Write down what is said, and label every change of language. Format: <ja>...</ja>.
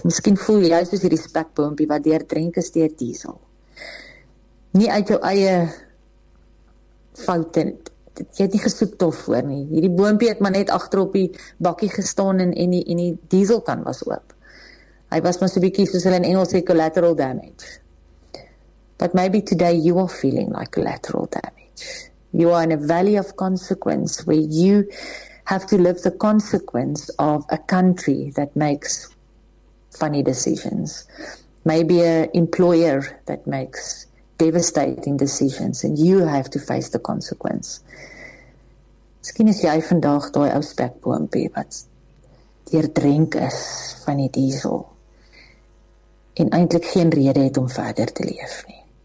<af>Miskien voel jy soos hierdie spekboompie wat deurdrenk is deur diesel. Nie uit jou eie foute. Jy het nie gesoek daarvoor nie. Hierdie boompie het maar net agterop die bakkie gestaan en die dieselkan was oop. Hy was maar so 'n bietjie soos hulle in Engels sê collateral damage.</af> <en>But maybe today you are feeling like collateral damage. You are in a valley of consequence where you have to live the consequence of a country that makes funny decisions. Maybe an employer that makes devastating decisions and you have to face the consequence.</en> <af>Miskien is jy vandag daai ou spekboompie wat deurdrenk is van die diesel en eintlik geen rede het om verder te leef nie.</af>